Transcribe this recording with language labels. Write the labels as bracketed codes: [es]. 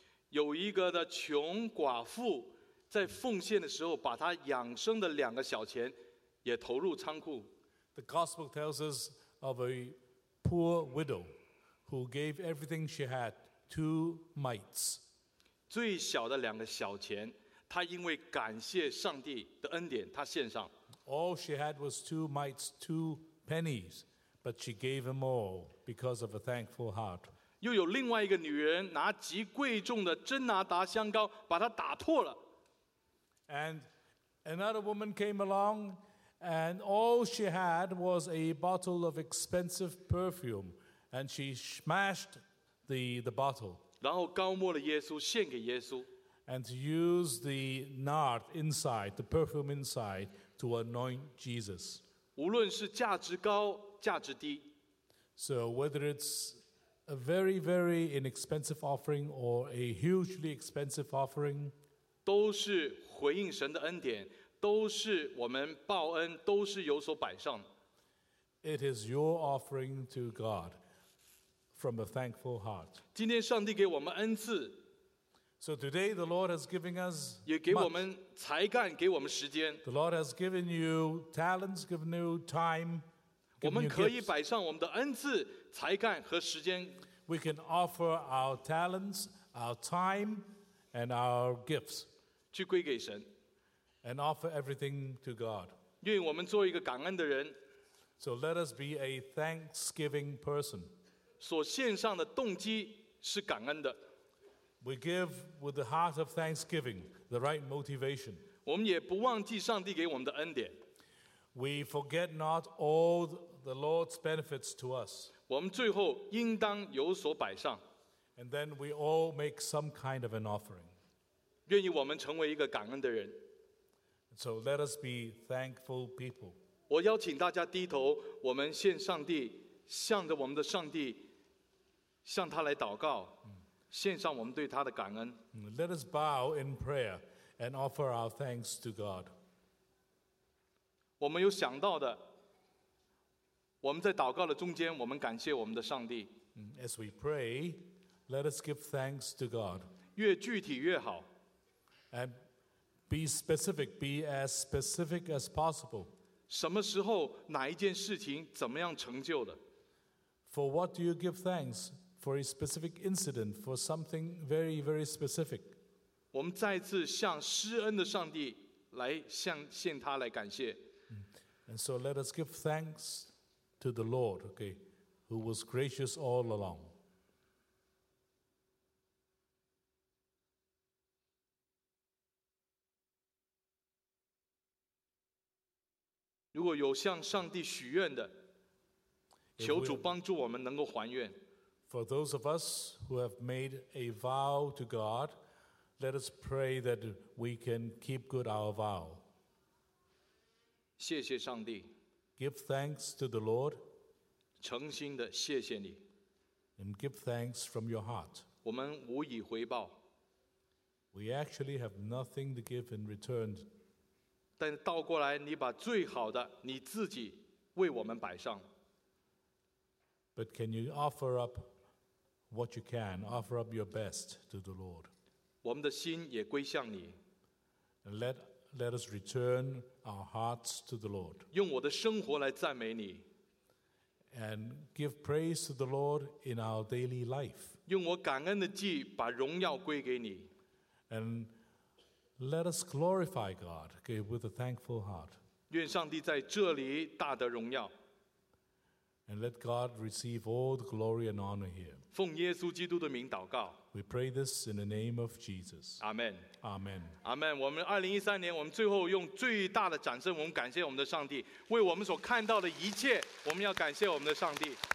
[zh] 有一个的穷寡妇在奉献的时候，把她养生的两个小钱也投入仓库。 [en] The gospel tells us of a poor widow who gave everything she had, two mites. [zh] 最小的两个小钱，她因为感谢上帝的恩典，她献上。 [en] All she had was two mites, two pennies, but she gave them all because of a thankful heart. [zh] 又有另外一个女人拿极贵重的真拿达香膏把它打破了。 [en] And another woman came along, and all she had was a bottle of expensive perfume, and she smashed the bottle. [zh] 然后膏抹了耶稣，献给耶稣。 [en] And to use the nard inside, the perfume inside. To anoint Jesus. [zh] 无论是价值高价值低。 [en] So whether it's a very, very inexpensive offering or a hugely expensive offering, [zh] 都是回应神的恩典，都是我们报恩，都是有所摆上。 [en] It is your offering to God from a thankful heart. [zh] 今天上帝给我们恩赐。 [en] So today the Lord has given us much. [zh] 也给我们才干，给我们时间。 [en] The Lord has given you talents, given you time. [zh] 我们可以摆上我们的恩赐、才干和时间。 [en] We can offer our talents, our time, and our gifts. [zh] 去归给神。 [en] And offer everything to God. [zh] 愿我们做一个感恩的人。 [en] So let us be a thanksgiving person. [zh] 所献上的动机是感恩的。 [en] We give with the heart of thanksgiving, the right motivation. [zh] 我们也不忘记上帝给我们的恩典。 [en] We forget not all the Lord's benefits to us. [zh] 我们最后应当有所摆上。 [en] And then we all make some kind of an offering. [zh] 愿意我们成为一个感恩的人。 [en] So let us be thankful people. [zh] 我邀请大家低头，我们向上帝，向着我们的上帝，向他来祷告。献上我们对他的感恩。 [en] Let us bow in prayer and offer our thanks to God. [zh] 我们有想到的，我们在祷告的中间，我们感谢我们的上帝。 [en] As we pray, let us give thanks to God. [zh] 越具体越好。 [en] And be specific, be as specific as possible. [zh] 什么时候，哪一件事情，怎么样成就的？ [en] For what do you give thanks? For a specific incident, for something very, very specific. [zh] 我们再次向施恩的上帝来向献他来感谢。 [en] And so let us give thanks to the Lord, okay, who was gracious all along. [zh] 如果有向上帝许愿的，求主帮助我们能够还愿。 [en] For those of us who have made a vow to God, let us pray that we can keep good our vow. [zh] 谢谢上帝。 [en] Give thanks to the Lord. [zh] 诚心的谢谢你。 [en] And give thanks from your heart. [zh] 我们无以回报。 [en] We actually have nothing to give in return. [zh] 但倒过来，你把最好的你自己为我们摆上。 [en] But can you offer up what you can, offer up your best to the Lord? [zh] 我们的心也归向你。 [en] Let us return our hearts to the Lord. [zh] 用我的生活来赞美你。 [en] And give praise to the Lord in our daily life. [zh] 用我感恩的祭把荣耀归给你。 [en] And let us glorify God with a thankful heart. [zh] 愿上帝在这里大得荣耀。 [en] And let God receive all the glory and honor here. [zh] 奉耶稣基督的名祷告。 [en] We pray this in the name of Jesus. Amen. Amen. Amen. [zh] 我们2013年，我们最后用最大的掌声，我们感谢我们的上帝，为我们所看到的一切，我们要感谢我们的上帝。